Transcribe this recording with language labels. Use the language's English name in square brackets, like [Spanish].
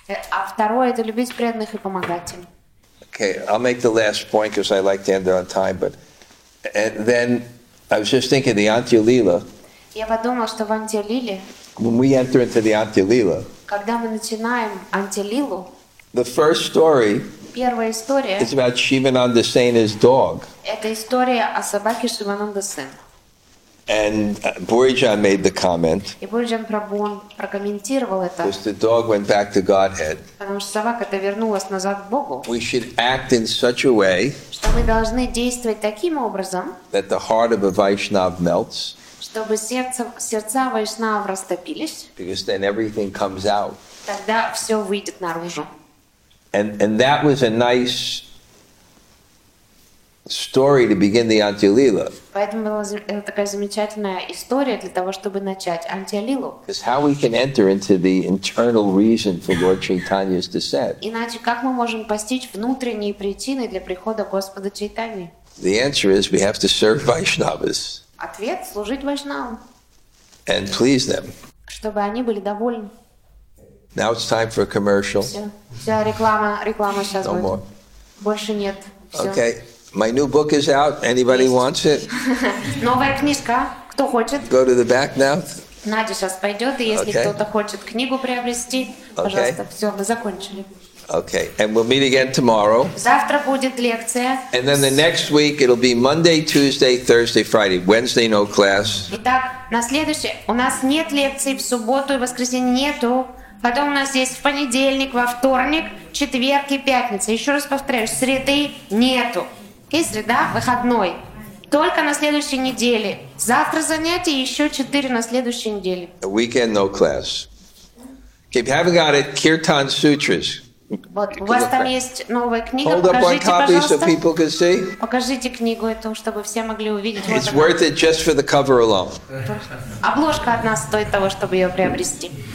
[Russian] А второе это любить преданных и помогать им. [English] Okay, I'll make the last point because I like to end on time. But and then I was just thinking the Antya Lila. [Russian] Я подумал, что в Антилиле. [English] When we enter into the Antilila. [Russian] Когда мы начинаем Антилилу. [English] The first story. [Russian] Первая история. [English] It's about Shivananda Sen's dog. [Russian] Это история о собаке Шивананда Сен. [English] And Бурджан made the comment. [Russian] И Бурджан Прабху прокомментировал это. [English] Because the dog went back to Godhead. [Russian] Потому что собака-то вернулась назад к Богу. [English] We should act in such a way. [Russian] Что мы должны действовать таким образом. [English] That the heart of a Vaishnav melts. [Russian] Чтобы сердца Вайшнав растопились. [English] Because then everything comes out. [Russian] Тогда все выйдет наружу. [English] And that was a nice story to begin the Antilila. [Russian] Поэтому была такая замечательная история для того, чтобы начать Антилилу. [English] Because how we can enter into the internal reason for Lord Chaitanya's descent. [Russian] Иначе как мы можем постичь внутренние причины для прихода Господа Чайтаньи? [English] The answer is we have to serve Vaishnavas. [Russian] Ответ – служить Вайшнавам. [English] And please them. [Russian] Чтобы они были довольны. [English] Now it's time for a commercial. [Russian] Все, реклама сейчас будет. [English] No more. [Russian] Больше нет. [English] Okay. My new book is out. Anybody wants it? [Russian] Новая книжка. Кто хочет? [English] Go to the back now. [Russian] Надя сейчас пойдет, и если кто-то хочет книгу приобрести, пожалуйста, все, мы закончили. [English] Okay, and we'll meet again tomorrow. [Russian] Завтра будет лекция. [English] And then the next week it'll be Monday, Tuesday, Thursday, Friday. Wednesday no class. [Russian] Итак, на следующее у нас нет лекций в субботу и воскресенье нету. Потом у нас есть в понедельник, во вторник, четверг и пятница. Еще раз повторяю, среды нету. И среда выходной. Только на следующей неделе. Завтра занятия еще 4 на следующей неделе. [English] A weekend no class. Okay, if you haven't got it, Kirtan Sutras. [Russian] Вот, у вас там есть новая книга, [English] hold [Russian] покажите, [English] up copy, [Russian] пожалуйста. [English] So people can see. [Russian] Покажите книгу эту, чтобы все могли увидеть. [English] It's worth it just for the cover alone. [Russian] Обложка одна стоит того, чтобы ее приобрести.